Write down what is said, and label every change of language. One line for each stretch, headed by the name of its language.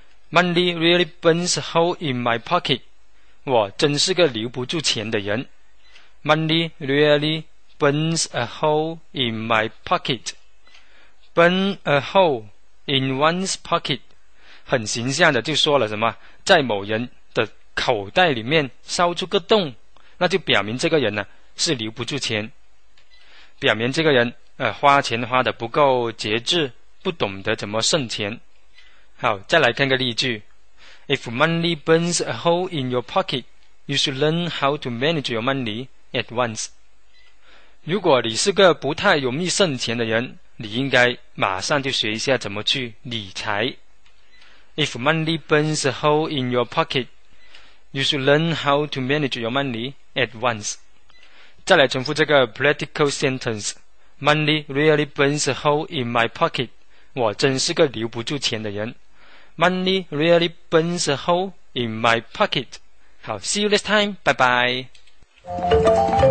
English: Money really burns a hole in my pocket.
Chinese: 我真是个留不住钱的人。
English: Money really burns a hole in my pocket. Burn a hole in one's pocket.
Chinese: 很形象的就说了什么，在某人的口袋里面烧出个洞，那就表明这个人呢是留不住钱。表明这个人花钱花得不够节制，不懂得怎么省钱。好，再来看个例句。
English: If money burns a hole in your pocket, you should learn how to manage your money at once.
Chinese: 如果你是个不太容易省钱的人，你应该马上就学一下怎么去理财。
English: If money burns a hole in your pocket, you should learn how to manage your money at once.
Chinese: 再来重复这个
English: practical sentence. Money really burns a hole in my pocket.
Chinese: 我真是个留不住钱的人。
English: Money really burns a hole in my pocket. 好， see you next time. Bye bye.